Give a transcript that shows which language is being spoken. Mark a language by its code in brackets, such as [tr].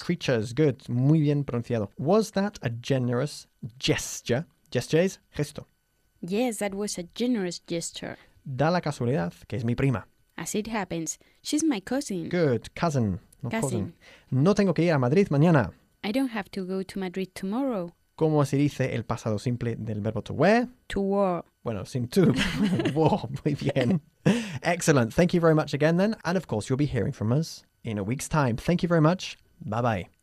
[en] Creatures, good. [es] Muy bien pronunciado. [en] Was that a generous gesture? Gesture [es] es gesto. [en] Yes, that was a generous gesture. [es] Da la casualidad que es mi prima. [en] As it happens, she's my cousin. Good, cousin. No cousin. [es] Cousin. No tengo que ir a Madrid mañana. [en] I don't have to go to Madrid tomorrow. [es] ¿Cómo se dice el pasado simple del verbo to wear? [en] To wear. [es] Bueno, sin to. Wear. Muy bien. Excellent. [en] Thank you very much again then. And of course, you'll be hearing from us in a week's time. Thank you very much. Bye-bye.